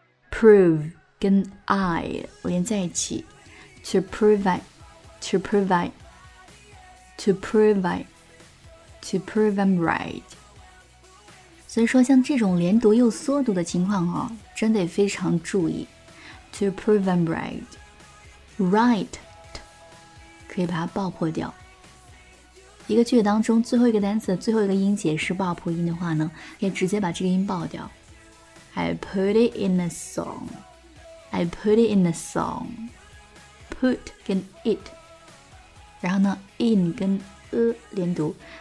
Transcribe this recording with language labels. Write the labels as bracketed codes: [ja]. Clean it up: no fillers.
[en] Prove 跟 I [zh] 连在一起 [en] To prove I'm right。 [zh] 所以说像这种连读又缩读的情况、哦、真得非常注意。 [en] To prove I'm right。 [zh] Right 可以把它爆破掉，一个句子当中最后一个单词最后一个音节是爆破音的话呢，可以直接把这个音爆掉。 [en] I put it in a song. [zh] Put 跟 it， 然后呢 in 跟 a 连读。